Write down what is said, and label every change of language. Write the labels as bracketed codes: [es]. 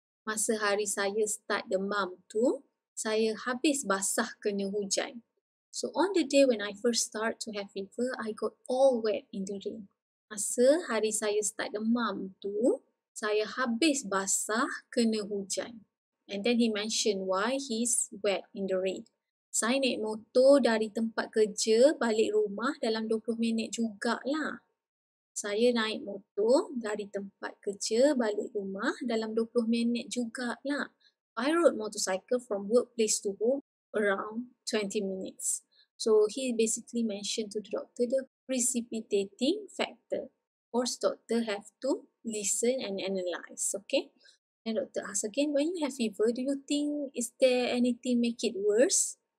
[ms] Masa hari saya start demam tu, saya habis basah kena hujan. [en] So, on the day when I first start to have fever, I got all wet in the rain. [ms] Masa hari saya start demam tu, saya habis basah kena hujan. [en] And then he mentioned why he's wet in the rain. [ms] Saya naik motor dari tempat kerja balik rumah dalam 20 minit jugalah. Saya naik motor dari tempat kerja balik rumah dalam 20 minit jugalah. [en] I rode motorcycle from workplace to home around 20 minutes. So he basically mentioned to the doctor the precipitating factor. Of course, doctor have to listen and analyze, okay? And doctor asks again, when you have fever, do you think is there anything make it worse?